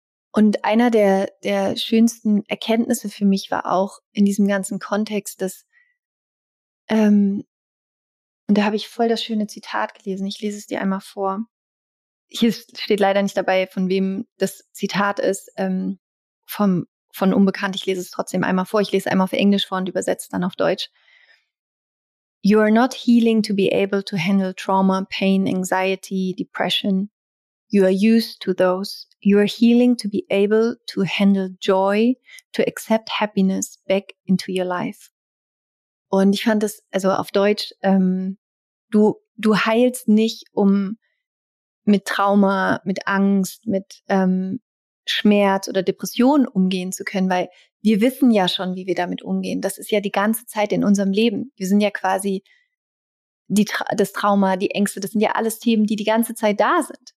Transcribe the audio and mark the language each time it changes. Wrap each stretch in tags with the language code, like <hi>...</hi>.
<de>Und einer der schönsten Erkenntnisse für mich war auch in diesem ganzen Kontext, dass, und da habe ich voll das schöne Zitat gelesen, ich lese es dir einmal vor. Hier steht leider nicht dabei, von wem das Zitat ist, von Unbekannt. Ich lese es trotzdem einmal vor. Ich lese es einmal auf Englisch vor und übersetze es dann auf Deutsch.</de> <en>You are not healing to be able to handle trauma, pain, anxiety, depression. You are used to those. You are healing to be able to handle joy, to accept happiness back into your life.</en> <de>Und ich fand das, also auf Deutsch, du heilst nicht, um mit Trauma, mit Angst, mit Schmerz oder Depression umgehen zu können, weil wir wissen ja schon, wie wir damit umgehen. Das ist ja die ganze Zeit in unserem Leben. Wir sind ja quasi das Trauma, die Ängste, das sind ja alles Themen, die ganze Zeit da sind.</de>